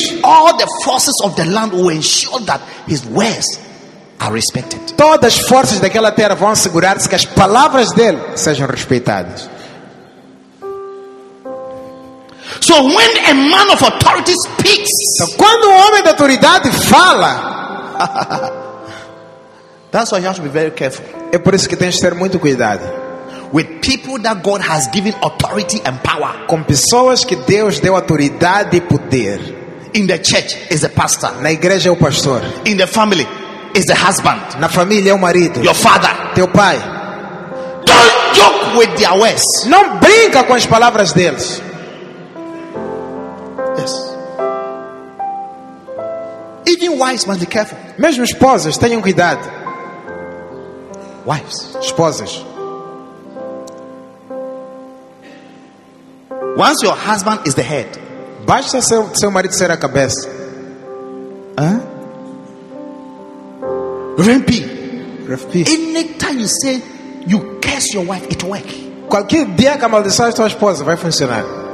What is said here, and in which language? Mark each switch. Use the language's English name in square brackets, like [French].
[English] all the forces of the land will ensure that his words are respected. [Portuguese] Todas as forças daquela terra vão assegurar-se que as palavras dele sejam respeitadas. [English] So when a man of authority speaks, [Portuguese] então, quando um homem de autoridade fala, [English] that's why you have to be very careful. [Portuguese] É por isso que tens de ter muito cuidado. [English] With people that God has given authority and power. [Portuguese] Com pessoas que Deus deu autoridade e poder. [English] In the church is the pastor. [Portuguese] Na igreja é o pastor. [English] In the family is the husband. [Portuguese] Na família é o marido. [English] Your father. [Portuguese] Teu pai. [English] Don't joke with their words. [Portuguese] Não brinca com as palavras deles. [English] Yes. Even wives must be careful. [Portuguese] Mesmo esposas tenham cuidado. [English] Wives, [Portuguese] esposas. [English] Once your husband is the head, [Portuguese] basta seu marido ser a cabeça. Rempi. [English] Any time you say you curse your wife, it work. [Portuguese] Qualquer dia que amaldiçoar tua esposa vai funcionar.